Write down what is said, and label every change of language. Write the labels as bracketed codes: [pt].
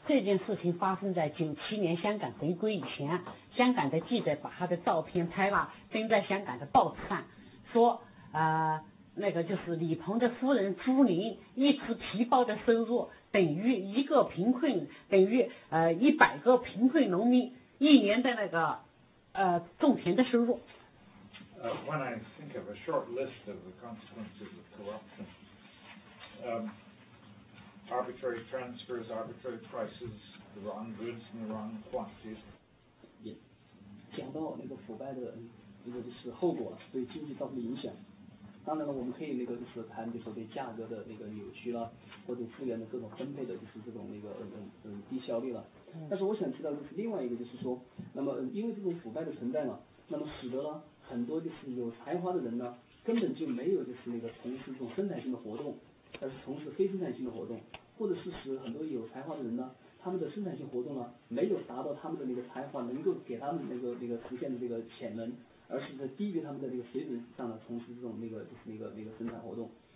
[zh] 这件事情发生在1997年香港回归以前，香港的记者把他的照片拍了，登在香港的报纸上，说那个就是李鹏的夫人朱琳一次皮包的收入等于一个贫困，等于100个贫困农民一年的那个种田的收入。 [en] When I think of a short list of the consequences of corruption, arbitrary transfers, arbitrary prices, the wrong goods and the wrong quantities. [zh] 讲到那个腐败的那个就是后果对经济造成影响，当然了，我们可以那个就是谈就是对价格的那个扭曲了，或者资源的各种分配的就是这种那个低效率了。但是我想知道就是另外一个就是说，那么因为这种腐败的存在嘛，那么使得了很多就是有才华的人呢，根本就没有就是那个从事这种生产性的活动，而是从事非生产性的活动，或者是使很多有才华的人呢，他们的生产性活动呢，没有达到他们的那个才华能够给他们那个实现的这个潜能，而是在低于他们的这个水准上的从事这种那个就是那个生产活动。